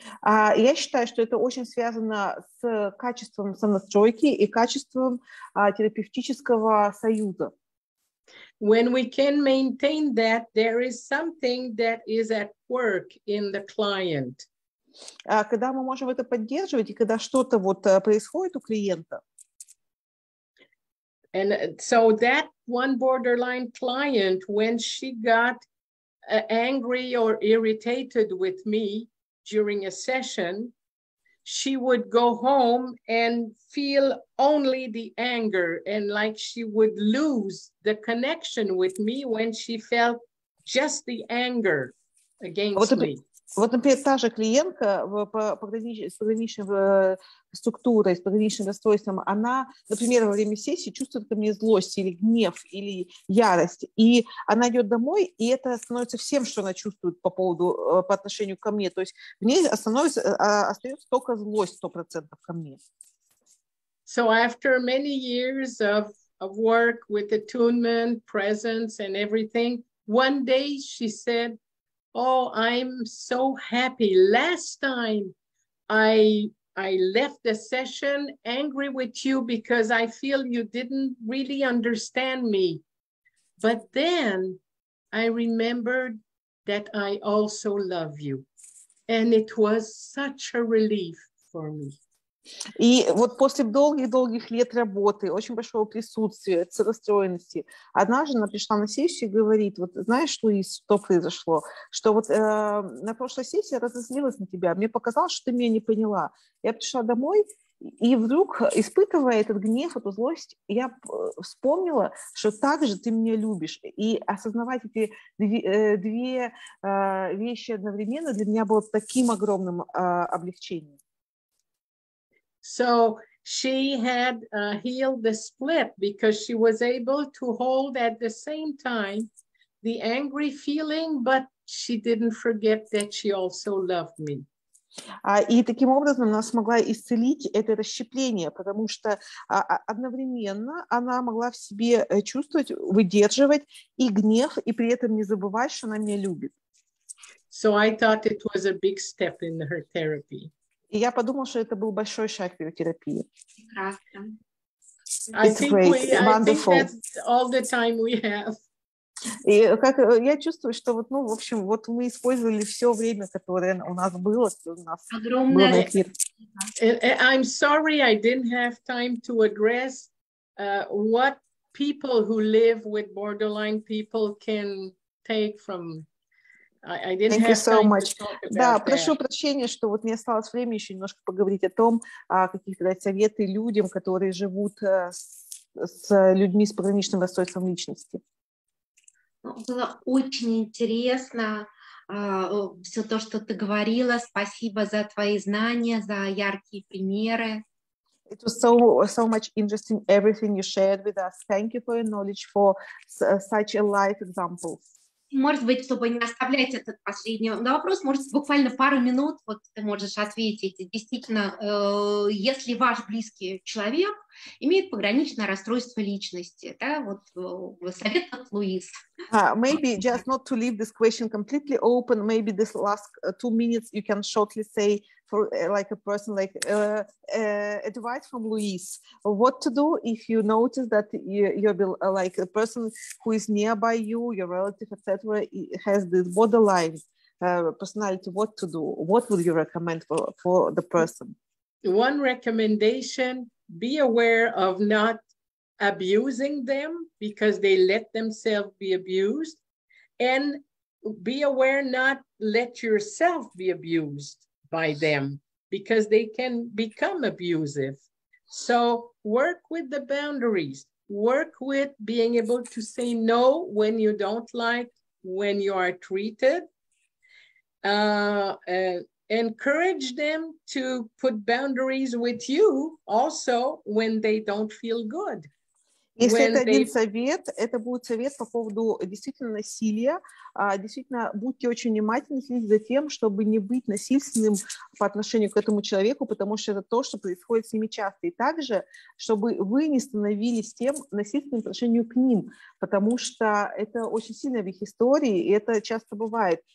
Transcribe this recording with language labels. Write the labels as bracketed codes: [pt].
[ru] Я считаю, что это очень связано с качеством самонастройки и качеством терапевтического союза. [en] When we can maintain that, there is something that is at work in the client. [ru] Когда мы можем это поддерживать, и когда что-то вот происходит у клиента. [en] And so that one borderline client, when she got angry or irritated with me during a session, she would go home and feel only the anger, and like she would lose the connection with me when she felt just the anger against me. [ru] Вот, например, та же клиентка с пограничной структурой, с пограничным расстройством, она, например, во время сессии чувствует ко мне злость или гнев, или ярость. И она идет домой, и это становится всем, что она чувствует по отношению ко мне. То есть в ней остается только злость 100% ко мне. [en] So after many years of work with attunement, presence and everything, one day she said, "Oh, I'm so happy. Last time I left the session angry with you because I feel you didn't really understand me. But then I remembered that I also love you. And it was such a relief for me." [ru] И вот после долгих-долгих лет работы, очень большого присутствия, расстроенности, однажды она пришла на сессию и говорит, вот знаешь, Луиз, что произошло? Что вот на прошлой сессии я разозлилась на тебя, мне показалось, что ты меня не поняла. Я пришла домой, и вдруг, испытывая этот гнев, эту злость, я вспомнила, что так же ты меня любишь. И осознавать эти две вещи одновременно для меня было таким огромным облегчением. [en] So she had healed the split because she was able to hold at the same time the angry feeling, but she didn't forget that she also loved me. [ru] И таким образом она смогла исцелить это расщепление, потому что одновременно она могла в себе чувствовать, выдерживать и гнев, и при этом не забывать, что она меня любит. [en] So I thought it was a big step in her therapy. [ru] И я подумала, что это был большой шаг в ее терапии. [en] I think that's all the time we have. [ru] И как я чувствую, что вот, ну, в общем, вот мы использовали все время, которое у нас было, у нас огромное. Был эфир. [en] I'm sorry, I didn't have time to address what people who live with borderline people can take from. I didn't have time to talk about that. [ru] Да, прошу прощения, что вот не осталось времени еще немножко поговорить о том, какие-то дать советы людям, которые живут с людьми с пограничным расстройством личности. Было очень интересно все то, что ты говорила. Спасибо за твои знания, за яркие примеры. [en] It was so much interesting everything you shared with us. Thank you for your knowledge, for such a life example. [ru] Может быть, чтобы не оставлять этот последний вопрос, может, буквально пару минут вот ты можешь ответить. Действительно, если ваш близкий человек имеет пограничное расстройство личности, да, вот совет от Луиз. [en] Maybe just not to leave this question completely open, maybe this last 2 minutes you can shortly say for like a person, like advice from Luis, what to do if you notice that you're like a person who is nearby you, your relative, etc., has this borderline personality what to do? What would you recommend for the person? One recommendation, be aware of not abusing them because they let themselves be abused. And be aware not let yourself be abused by them because they can become abusive. So work with the boundaries. Work with being able to say no when you don't like when you are treated. Encourage them to put boundaries with you also when they don't feel good. Если when это they... [ru] один совет, это будет совет по поводу действительно насилия. Действительно, будьте очень внимательны, следите за тем, чтобы не быть насильственным по отношению к этому человеку, потому что это то, что происходит с ними часто. И также, чтобы вы не становились тем насильственным по отношению к ним, потому что это очень сильно в их истории, и это часто бывает.